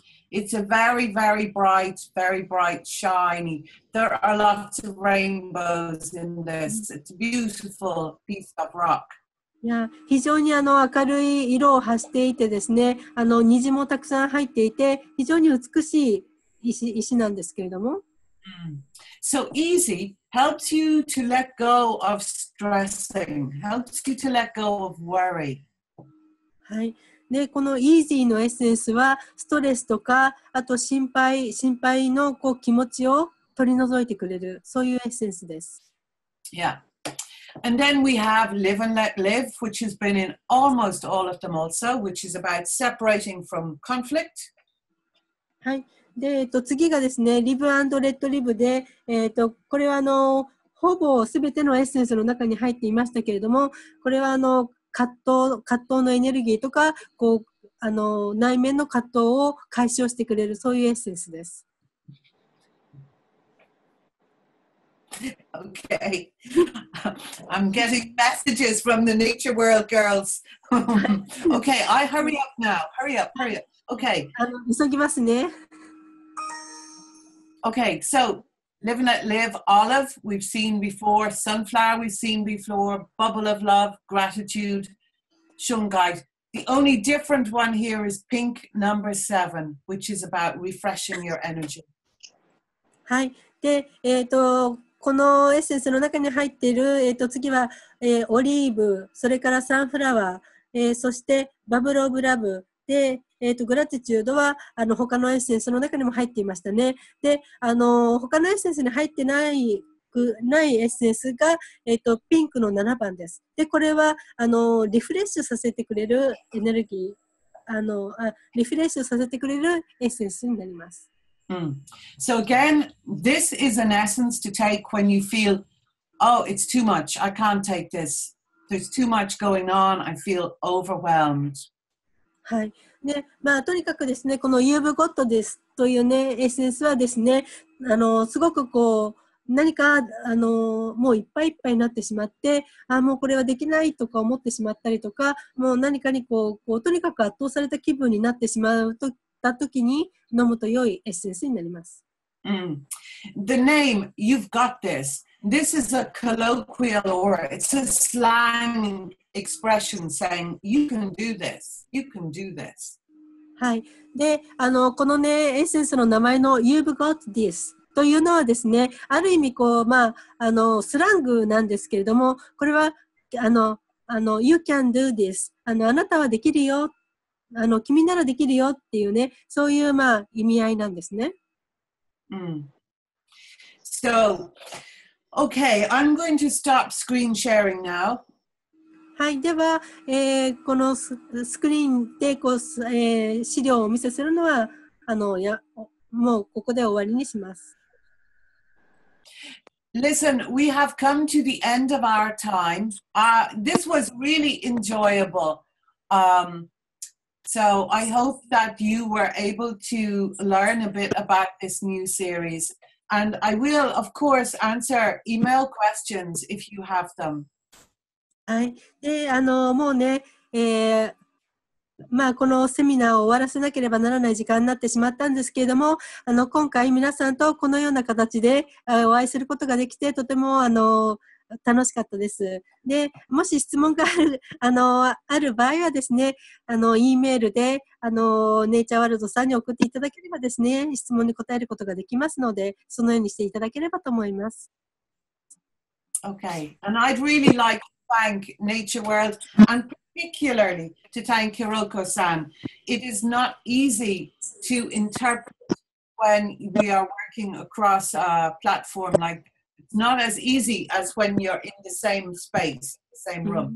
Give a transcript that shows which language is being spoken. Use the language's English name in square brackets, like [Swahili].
[English] It's a very, very bright, shiny. There are lots of rainbows in this. It's a beautiful piece of rock. [Japanese] Yeah, 非常に明るい色を発していてですね、虹もたくさん入っていて、非常に美しい石なんですけれども。 [English] So easy helps you to let go of stressing, helps you to let go of worry. [Japanese] はい。で、このイージーのエッセンスはストレスとかあと心配のこう気持ちを取り除いてくれるそういうエッセンスです。 [English] Yeah. And then we have live and let live, which has been in almost all of them also, which is about separating from conflict. [Japanese] はい。で、次がですね、live and let live で、これはほぼすべてのエッセンスの中に入っていましたけれども、これは葛藤のエネルギーとかこう内面の葛藤を解消してくれるそういうエッセンスです。 [English] Okay. I'm getting messages from the nature world girls. Okay, I hurry up now. Hurry up, hurry up. Okay. [Japanese] 急ぎますね。 [English] Okay, so live and let live, olive we've seen before, sunflower we've seen before, bubble of love, gratitude. Shungite. The only different one here is pink number seven, which is about refreshing your energy. [Japanese] はい。で、このエッセンスの中に入っている、次は、オリーブ、それからサンフラワー、そしてバブルオブラブ。で、グラティチュードは他のエッセンスの中にも入っていましたね。で、他のエッセンスに入ってないないエッセンスが、ピンクの7番です。で、これはリフレッシュさせてくれるエネルギー、リフレッシュさせてくれるエッセンスになります。 Mm. [English] So again, this is an essence to take when you feel, oh, it's too much, I can't take this. There's too much going on, I feel overwhelmed. [Japanese] はい。ね、まあとにかくですね、この You Have Got This というね、エッセンスはですね、すごくこう、何か、もういっぱいいっぱいになってしまって、あ、もうこれはできないとか思ってしまったりとか、もう何かにこう、とにかく圧倒された気分になってしまった時に飲むと良いエッセンスになります。 [English] Mm. The name, You've Got This. This is a colloquial or it's a slang expression saying, You can do this. You can do this. [Japanese] はい。で、このね、エッセンスの名前の You've Got This. というのはですね、ある意味こう、まあ、スラングなんですけれども、これは、 [English] You can do this. [Japanese] あなたはできるよ。君ならできるよっていうね、そういう、まあ、意味合いなんですね。 Mm. [English] So, okay, I'm going to stop screen sharing now. [Japanese] はい、では、このスクリーンでこう、資料をお見せするのは、もうここで終わりにします。 [English] Listen, we have come to the end of our time. This was really enjoyable. So I hope that you were able to learn a bit about this new series. And I will, of course, answer email questions if you have them. [Japanese] はい。で、もうね、まあ、このセミナーを終わらせなければならない時間になってしまったんですけれども、今回皆さんとこのような形でお会いすることができてとても楽しかったです。で、もし質問がある場合はですね、E メールでネイチャーワールドさんに送っていただければですね、質問に答えることができますので、そのようにしていただければと思います。 [English] Okay. And I'd really like to thank Nature World and particularly to thank Hiroko-san. It is not easy to interpret when we are working across a platform like it's not as easy as when you're in the same space, the same room.